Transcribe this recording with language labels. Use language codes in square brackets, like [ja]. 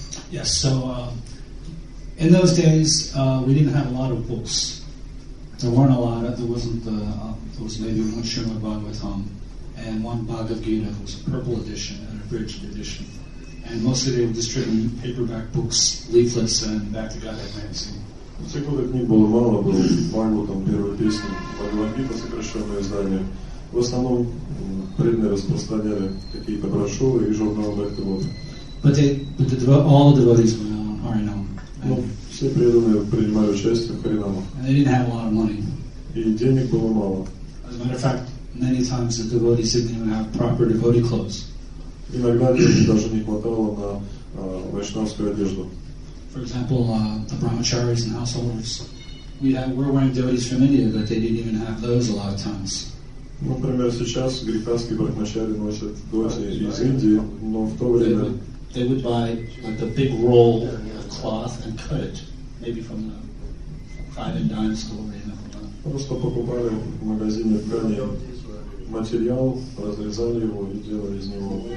[en] Yes, so in those days we didn't have a lot of books. There weren't a lot of, there was maybe one Srimad Bhagavatam and one Bhagavad Gita. It was a purple edition and a abridged edition. And mostly they were distributing paperback books, leaflets, and Back to Godhead magazine. [ru] В те годы книг было мало, был Бхагаватам, первая песня, Бхагавад Гита, сокращенное издание. В основном преданные распространяли какие-то брошюры и журналы Back to Godhead. [en] All the devotees were on Harinam. [ru] Все преданные принимали участие в Харинамах. [en] And they didn't have a lot of money. [ru] И денег было мало. [en] As a matter of fact, many times the devotees didn't even have proper devotee clothes. [ru] Иногда денег даже не хватало на вайшнавскую одежду. [en] For example, the brahmacharis and householders, we're wearing devotees from India, but they didn't even have those a lot of times. [ru] Например, сейчас грихасские брахмачари носят доти из Индии, но в то время [en] they would buy like a big roll of cloth and cut it, maybe from the five and dime store. [ru] Просто покупали в магазине ткани. Материал разрезали его и делали из него